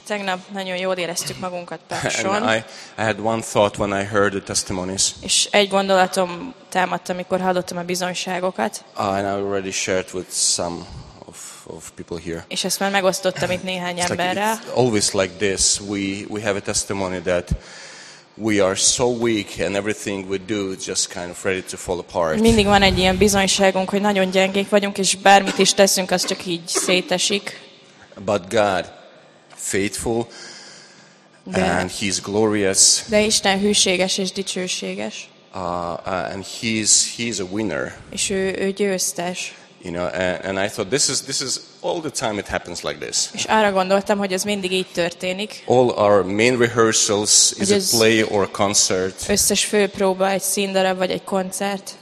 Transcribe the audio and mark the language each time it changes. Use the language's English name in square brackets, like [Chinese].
[Hungarian] Tegnap nagyon jól éreztük magunkat Pakson. [English] I had one thought when I heard the testimonies. [Hungarian] És egy gondolatom támadt, amikor hallottam a bizonyságokat. [English] And I already shared with some of people here. [Hungarian] És ezt már megosztottam itt néhány emberrel. [English] It's always like this. We have a testimony that we are so weak and everything we do is just kind of ready to fall apart. [Hungarian] Mindig van egy ilyen bizonyságunk, hogy nagyon gyengék vagyunk, és bármit is teszünk, az csak így szétesik. [English] But God faithful and he's glorious. [Hungarian] De Isten hűséges és dicsőséges. [English] And he's a winner. [Hungarian] És ő győztes. [English] You know, and I thought this is all the time it happens like this. [Hungarian] És arra gondoltam, hogy ez mindig így történik. [English] All our main rehearsals is a play or a concert. [Hungarian] Összes fő próba egy színdarab vagy egy koncert.